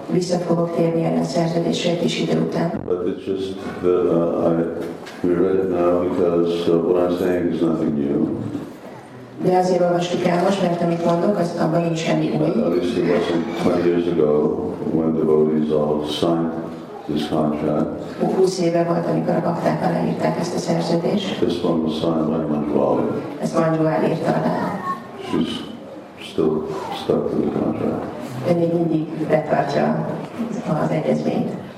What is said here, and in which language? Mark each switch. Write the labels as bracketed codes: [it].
[hu] Vissza fogok térni a szerződésre egy kis idő után. [en] But it's just that I read it now because what I'm saying is nothing new. [hu] De azért olvastuk el most, mert amit mondok, az abban nincs semmi új. [en] At least it wasn't 20 years ago when the devotees all signed this contract. [hu] 20 éve volt, amikor a bakták aláírták ezt a szerződést. [en] This one was signed by Manjuali. [hu] Ezt Manjuali írta alá. [en] She's still stuck to the contract. [hu] Ő még mindig betartja az egyezményt.